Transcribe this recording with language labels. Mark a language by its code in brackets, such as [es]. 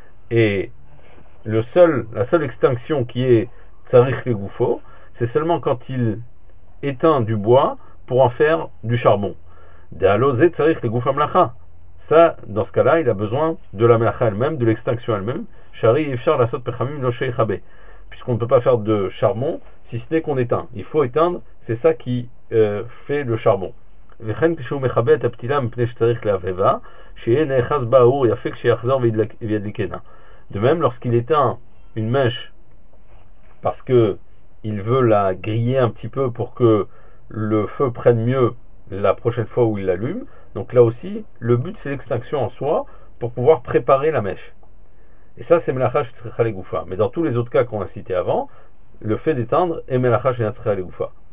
[fr] Et la seule extinction qui est tzarich legufo, c'est seulement quand il éteint du bois pour en faire du charbon. Ça, dans ce cas-là, il a besoin de la melacha elle-même, de l'extinction elle-même. Puisqu'on ne peut pas faire de charbon si ce n'est qu'on éteint. Il faut éteindre, c'est ça qui fait le charbon. [he] וכן כשהוא מחבא את הפתילה מפני שצריך להבהבה, שיהיה נאחז בה אור יפה כשיחזור וידליקנה. [fr] De même, lorsqu'il éteint une mèche parce que il veut la griller un petit peu pour que le feu prenne mieux la prochaine fois où il l'allume, donc là aussi, le but c'est l'extinction en soi pour pouvoir préparer la mèche. Et ça, c'est melacha shetzricha legufa. Mais dans tous les autres cas qu'on a cités avant, le fait d'éteindre est melacha shetzricha legufa.